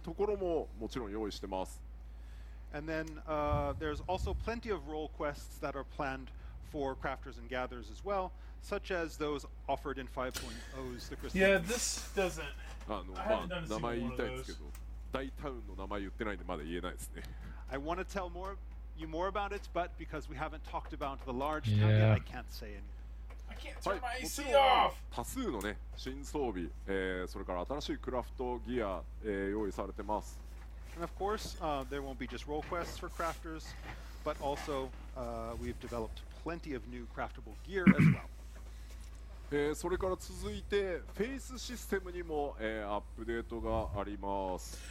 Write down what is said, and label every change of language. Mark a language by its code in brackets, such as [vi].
[ja] もちろん、あの、ギャザラクラフターの皆さんに向けた、あの、5.0でいうミーン光源館のような、あの、一つの場所によってみんなでいろんなロールのクエストをやっていくっていうところももちろん用意してます。 [en] And then there's also plenty of role quests that are planned for crafters and gatherers as well, such as those offered in 5.0's The Crystal. Yeah, this doesn't. I haven't done a single one of those. I want to tell you more about it, but because we haven't talked about the large town yet, I can't say anything. I can't turn my AC off! And of course, there won't be just role quests for crafters, but also we've developed plenty of new craftable gear as well. [ja] それから続いてフェイスシステムにも、アップデートがあります。